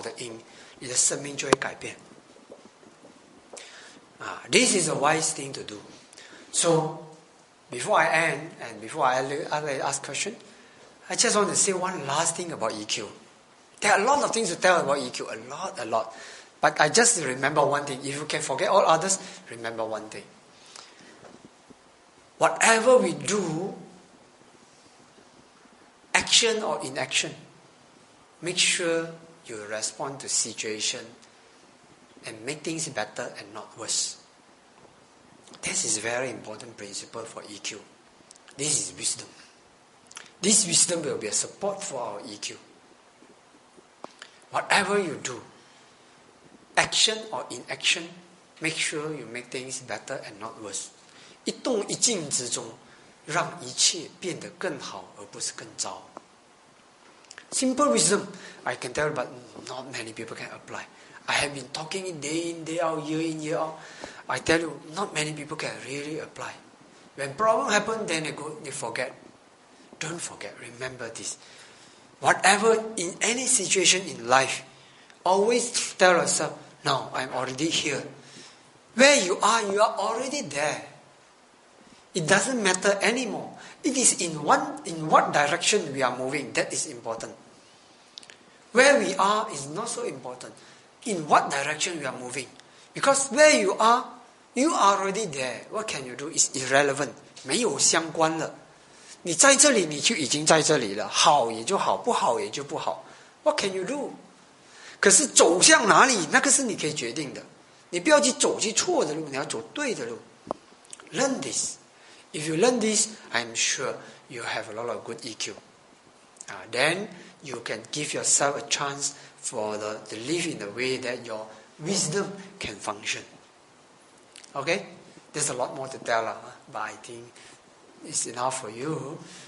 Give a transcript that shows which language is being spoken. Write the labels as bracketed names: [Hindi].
[Chinese] 现在的因,我已经注入新的好的因,你的生命就会改变. [English] This is a wise thing to do. So, before I end, and before I ask question, I just want to say one last thing about EQ. There are a lot of things to tell about EQ, a lot. But I just remember one thing. If you can forget all others, remember one thing. Whatever we do, action or inaction, make sure you respond to situation and make things better and not worse. This is a very important principle for EQ. This is wisdom. This wisdom will be a support for our EQ. Whatever you do, action or inaction, make sure you make things better and not worse. [Chinese] 一动一静之中, 让一切变得更好而不是更糟。 [English] Simple wisdom, I can tell, but not many people can apply. I have been talking day in, day out, year in, year out. I tell you, not many people can really apply. When problem happens, then they forget. Don't forget, remember this. Whatever, in any situation in life, always tell yourself, now, I'm already here. Where you are already there. It doesn't matter anymore. It is in what direction we are moving, that is important. Where we are is not so important. In what direction we are moving. Because where you are already there. What can you do? It's irrelevant. [Chinese] 没有相关了. 你在这里你就已经在这里了，好也就好，不好也就不好。 [English] What can you do? [Chinese] 可是走向哪里，那个是你可以决定的，你不要去走去错的路，你要走对的路。 [English] Learn this. If you learn this, I'm sure you have a lot of good EQ. Then you can give yourself a chance to live in the way that your wisdom can function. Okay? There's a lot more to tell, but I think it's enough for you.